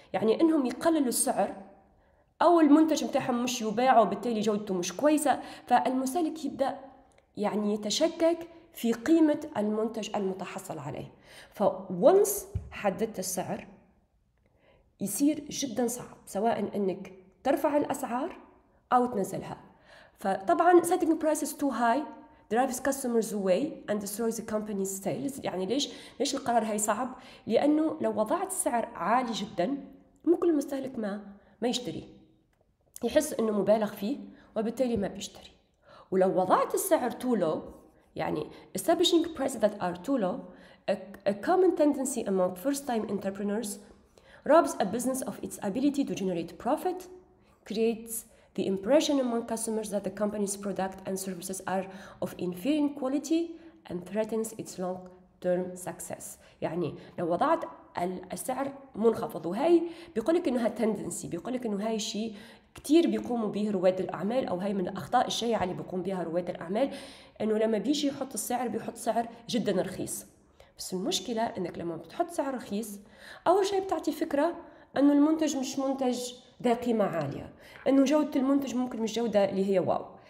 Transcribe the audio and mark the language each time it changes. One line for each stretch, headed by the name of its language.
Arabic: يعني إنهم يقللوا السعر أو المنتج متاحهم مش يباع وبالتالي جودته مش كويسة، فالمستهلك يبدأ يعني يتشكك في قيمة المنتج المتحصل عليه. فونس حددت السعر يصير جدا صعب سواء إنك ترفع الأسعار أو تنزلها. فطبعاً
English: setting prices too high drives customers away and destroys the company's sales.
Arabic: يعني ليش القرار هاي صعب؟ لأنه لو وضعت السعر عالي جداً ممكن المستهلك ما يشتري، يحس أنه مبالغ فيه وبالتالي ما بيشتري. ولو وضعت السعر
English: too low،
Arabic: يعني
English: establishing prices that are too low a common tendency among first time entrepreneurs robs a business of its ability to generate profit, creates the impression among customers that the company's product and services are of inferior quality and threatens its long-term success.
Arabic: يعني لو وضعت السعر منخفض، وهي بيقولك انه هاي تندنسي، بيقولك انه هاي شيء كتير بيقوموا به رواد الاعمال، او هاي من الاخطاء الشائعة اللي بيقوم بها رواد الاعمال، انه لما بيجي يحط السعر بيحط سعر جدا رخيص. بس المشكلة انك لما بتحط سعر رخيص اول شيء بتعطي فكرة انه المنتج مش منتج ذا قيمة عالية، أنه جودة المنتج ممكن مش جودة اللي هي واو.